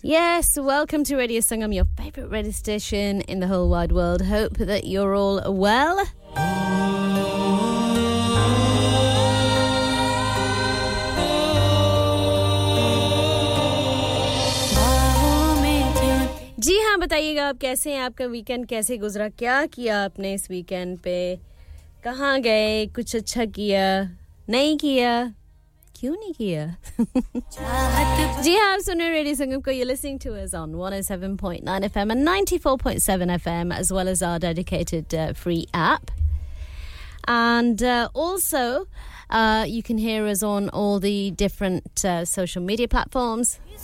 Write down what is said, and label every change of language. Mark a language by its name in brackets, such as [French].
[English] Yes, welcome to Radio Sangam, your favourite radio station in the whole wide world. Hope that you're all well. [Hindi] जी हाँ, बताइएगा आप कैसे हैं, आपका weekend कैसे गुजरा, क्या किया आपने इस वीकेंड पे, कहाँ गए, कुछ अच्छा किया, नहीं किया, क्यों नहीं किया? जी हाँ, आप सुन रहे रेडियो संगम को, [English] you're listening to us on 107.9 FM and 94.7 FM as well as our dedicated free app. And also, you can hear us on all the different social media platforms.